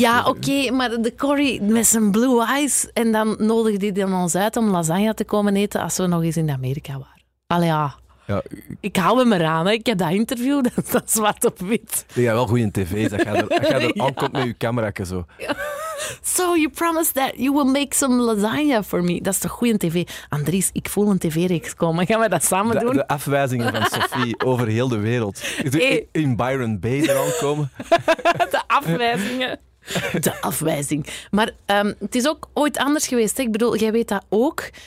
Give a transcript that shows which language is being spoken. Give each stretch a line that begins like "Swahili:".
Dutch: ja, bent. Ja, oké, maar de Corey met zijn
English: blue eyes.
Dutch: En dan nodigde hij dan ons uit om lasagne te komen eten als we nog eens in Amerika waren. Allee, ja. Ja. Ik hou hem eraan. Hè. Ik heb dat interview, dat is zwart op wit. Ja, jij wel goed in tv. Dat gaat er aankomt met je camera en zo. Ja.
English: So you promised that you will make some lasagna for me.
Dutch: Dat is toch goede tv. Andries, ik voel een tv-reeks komen. Gaan we dat samen doen? De afwijzingen van Sophie over heel de wereld. In Byron Bay eraan komen. De afwijzingen. De afwijzing. Maar het is ook ooit anders geweest. Hè? Ik bedoel, jij weet dat ook.